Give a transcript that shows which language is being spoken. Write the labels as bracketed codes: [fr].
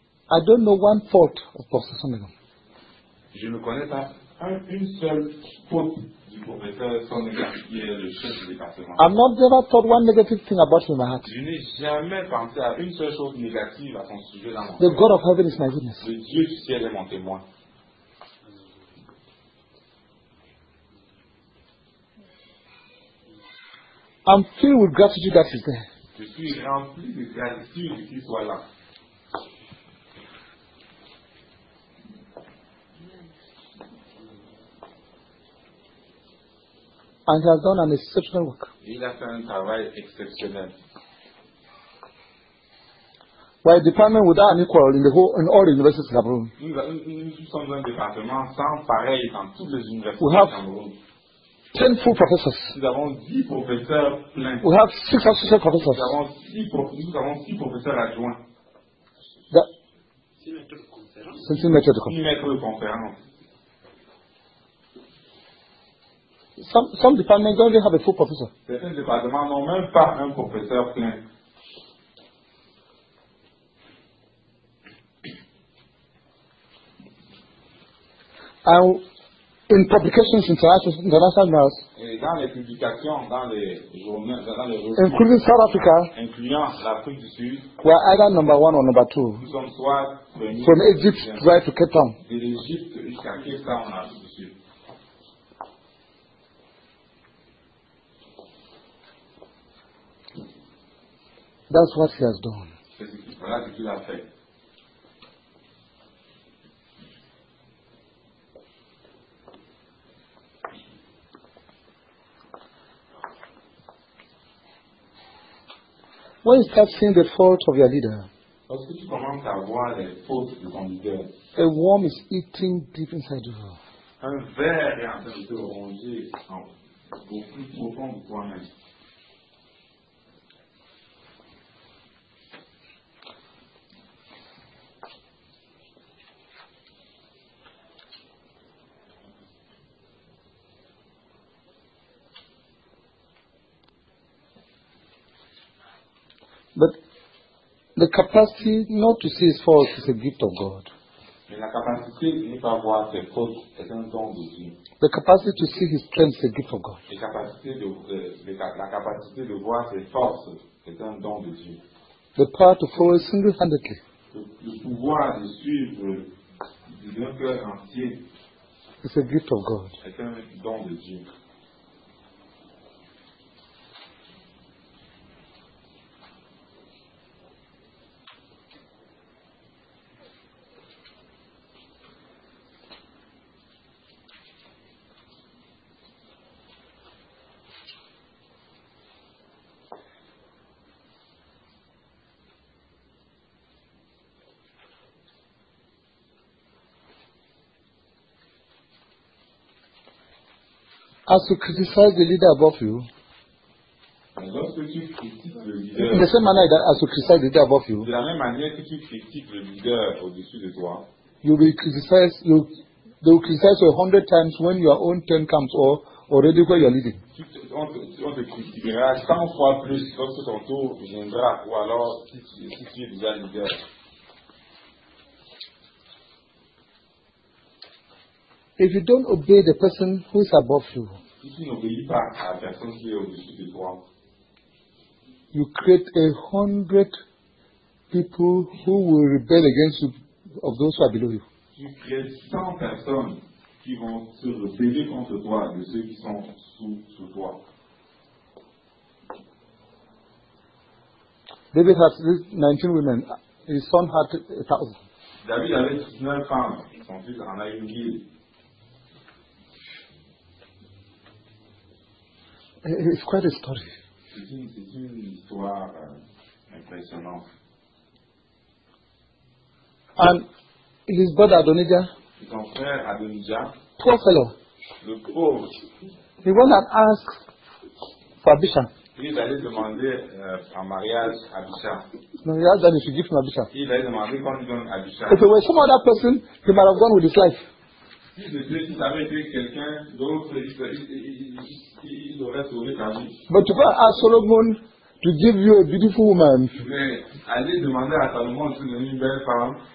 [en] I don't know one fault of Pastor Sonegan. [fr] Je ne connais pas une seule faute du professeur Sonegan qui est le chef du département. [en] I've not ever thought one negative thing about him in my heart. [fr] Je n'ai jamais pensé à une seule chose négative à son sujet dans mon cœur. [en] The God of heaven is my witness. [fr] Le Dieu du ciel est mon témoin. [en] I'm filled with gratitude that he's there. [fr] Je suis rempli de gratitude qu'il soit là. [en] And he has done an exceptional work. [fr] Il a fait un travail exceptionnel. [en] Why a department without an equal in the whole in all the universities in Cameroon? [fr] Nous sommes un département sans pareil dans toutes les universités. [en] We have 10 full professors. [fr] Nous avons 10 professeurs pleins. [en] We have 6 associate professors. [fr] Nous avons 6 professeurs adjoints. 6 mètres de conférence. [en] Some departments don't even have a full professor. [fr] Certains départements n'ont même pas un professeur plein. [en] And in publications, international journals. [fr] Et dans les publications, dans les journaux, [en] including South Africa, [fr] incluant l'Afrique du Sud, [en] we are either number one or number two. [fr] Nous sommes soit premier. [en] From Egypt right to Cape Town. [fr] De l'Égypte jusqu'à Cape Town en Afrique du Sud. [en] That's what he has done. [fr] Voilà ce qu'il a fait. [en] When you start seeing the fault of your leader, [fr] lorsque tu commences à voir les fautes de ton leader, [en] a worm is eating deep inside you. [fr] Un ver est en train de te ronger au plus profond de toi-même. [en] But the capacity not to see his faults is a gift of God. [fr] Mais la capacité de ne pas voir ses fautes est un don de Dieu. [en] The capacity to see his strength is a gift of God. [fr] La capacité de voir ses forces est un don de Dieu. [en] The power to follow single-handedly. [fr] Le pouvoir de suivre d'un cœur entier. [en] It's a gift of God. [fr] Est un don de Dieu. [en] As you criticize the leader above you, [fr] lorsque [en] In the same manner that as you criticize the leader above you, [fr] de la même manière que tu critiques le leader au-dessus de toi, [en] you will criticize you. They will criticize you 100 times when your own turn comes or already where you are leading. [fr] On te critiquera 100 fois plus lorsque ton tour viendra ou alors si tu es déjà leader. [en] If you don't obey the person who is above you, [fr] si tu n'obéis pas à la personne qui est au-dessus de toi, [en] you create 100 people who will rebel against you of those who are below you. [fr] Tu crées 100 personnes qui vont se rebeller contre toi, de ceux qui sont sous toi. [en] David has 19 women, his son had 1,000. [fr] David avait 19 femmes, son fils en a 1,000. [en] It's quite a story. [fr] C'est une histoire impressionnante. [en] And his brother Adonijah. [fr] Son frère Adonijah. [en] Poor fellow. [fr] Le pauvre. [en] He went and asked for Abisha. [fr] Il est allé demander en mariage Abisha. [en] No, he asked that he should give him Abisha. [fr] Il a demandé qu'on lui donne Abisha. [en] If it were some other person, he might have gone with his life. [fr] Si ça avait été quelqu'un d'autre, il aurait sauvé ta vie. [en] But to go ask Solomon to give you a beautiful woman. [fr] Mais aller demander à Salomon de donner une belle femme.